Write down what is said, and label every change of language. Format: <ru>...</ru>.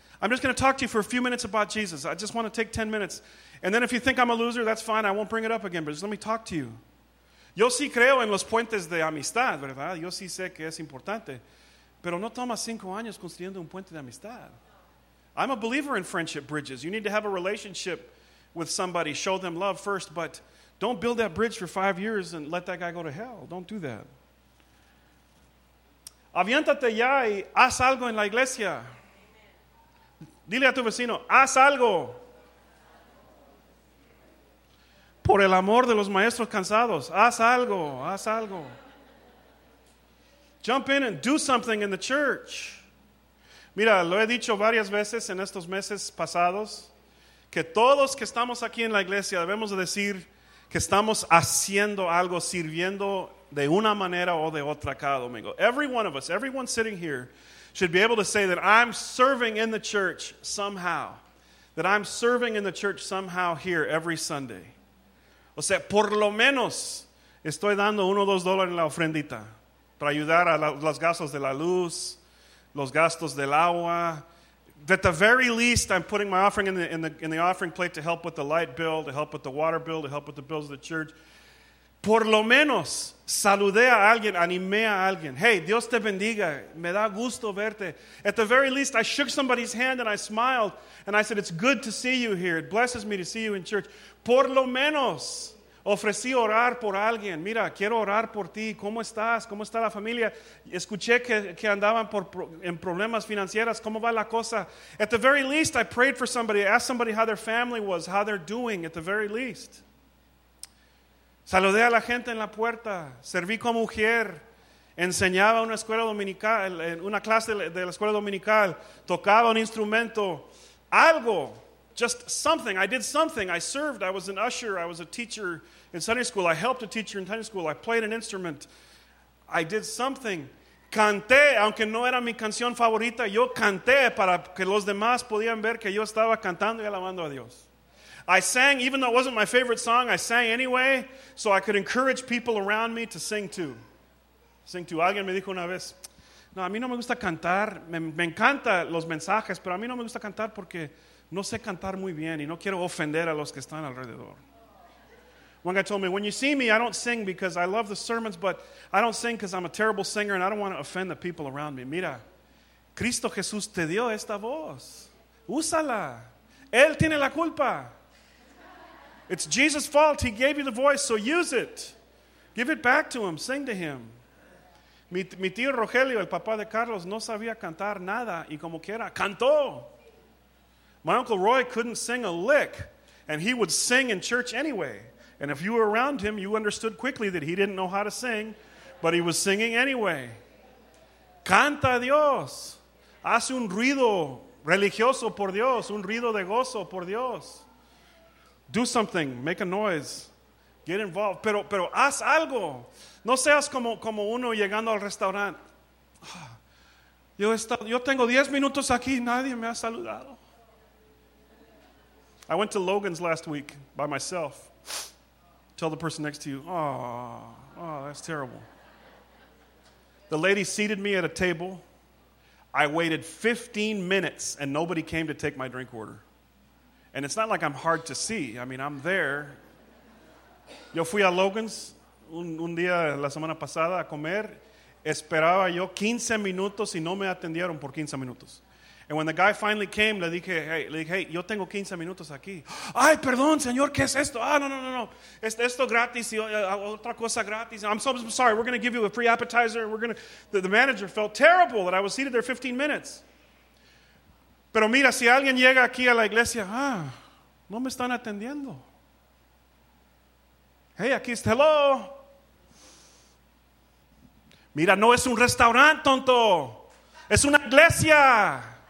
<en>I'm just going to talk to you for a few minutes about Jesus. I just want to take 10 minutes. And then if you think I'm a loser, that's fine. I won't bring it up again, but just let me talk to you.</en> <es>Yo sí creo en los puentes de amistad, ¿verdad? Yo sí sé que es importante. Pero no toma 5 años construyendo un puente de amistad.</es> <en>I'm a believer in friendship bridges. You need to have a relationship with somebody. Show them love first, but don't build that bridge for 5 years and let that guy go to hell. Don't do that.</en> <es>Aviéntate ya y haz algo en la iglesia. Amen. Dile a tu vecino, haz algo. Por el amor de los maestros cansados, haz algo, haz algo.</es> <en>Jump in and do something in the church.</en> <es>Mira, lo he dicho varias veces en estos meses pasados, que todos que estamos aquí en la iglesia debemos decir que estamos haciendo algo, sirviendo de una manera o de otra cada domingo.</es> <en>Every one of us, everyone sitting here, should be able to say that I'm serving in the church somehow. That I'm serving in the church somehow here every Sunday.</en> <es>O sea, por lo menos estoy dando $1 o $2 en la ofrendita para ayudar a los gastos de la luz, los gastos del agua.</es> <en>At the very least, I'm putting my offering in the offering plate to help with the light bill, to help with the water bill, to help with the bills of the church.</en> <es>Por lo menos, saludé a alguien, animé a alguien. Hey, Dios te bendiga, me da gusto verte.</es> <en>At the very least, I shook somebody's hand and I smiled and I said, it's good to see you here. It blesses me to see you in church.</en> <es>Por lo menos, Ofrecí orar por alguien. Mira, quiero orar por ti. ¿Cómo estás? ¿Cómo está la familia? Escuché que andaban en problemas financieros. ¿Cómo va la cosa?</es> <en>At the very least, I prayed for somebody. I asked somebody how their family was, how they're doing, at the very least.</en> <es>Saludé a la gente en la puerta. Serví como mujer. Enseñaba una escuela dominical, una clase de la escuela dominical. Tocaba un instrumento. Algo.</es> <en>Just something. I did something. I served. I was an usher. I was a teacher in Sunday school. I helped a teacher in Sunday school. I played an instrument. I did something.</en> <es>Canté, aunque no era mi canción favorita, yo canté para que los demás podían ver que yo estaba cantando y alabando a Dios.</es> <en>I sang, even though it wasn't my favorite song, I sang anyway, so I could encourage people around me to sing too. Sing too.</en> <es>Alguien me dijo una vez, no, a mí no me gusta cantar. Me encantan los mensajes, pero a mí no me gusta cantar porque no sé cantar muy bien y no quiero ofender a los que están alrededor.</es> <en>One guy told me, when you see me, I don't sing because I love the sermons, but I don't sing because I'm a terrible singer and I don't want to offend the people around me.</en> <es>Mira, Cristo Jesús te dio esta voz. Úsala. Él tiene la culpa.</es> <en>It's Jesus' fault. He gave you the voice, so use it. Give it back to him. Sing to him.</en> <es>Mi tío Rogelio, el papá de Carlos, no sabía cantar nada y como quiera, cantó.</es> <en>My Uncle Roy couldn't sing a lick, and he would sing in church anyway. And if you were around him, you understood quickly that he didn't know how to sing, but he was singing anyway.</en> <es>Canta Dios. Haz un ruido religioso por Dios, un ruido de gozo por Dios.</es> <en>Do something. Make a noise. Get involved.</en> <es>Pero haz algo. No seas como uno llegando al restaurante. Yo tengo 10 minutos aquí y nadie me ha saludado.</es> <en>I went to Logan's last week by myself. Tell the person next to you, oh, that's terrible. The lady seated me at a table. I waited 15 minutes and nobody came to take my drink order. And it's not like I'm hard to see. I mean, I'm there.</en> <es>Yo fui a Logan's un día la semana pasada a comer. Esperaba yo 15 minutos y no me atendieron por 15 minutos.</es> <en>And when the guy finally came,</en> <es>le dije, hey, yo tengo 15 minutos aquí. Ay, perdón, señor, ¿qué es esto? Ah, no. Esto gratis y otra cosa gratis.</es> <en>I'm sorry, we're going to give you a free appetizer. The manager felt terrible that I was seated there 15 minutes.</en> <es>Pero mira, si alguien llega aquí a la iglesia, no me están atendiendo. Hey, aquí está, hello. Mira, no es un restaurante, tonto. Es una iglesia.</es>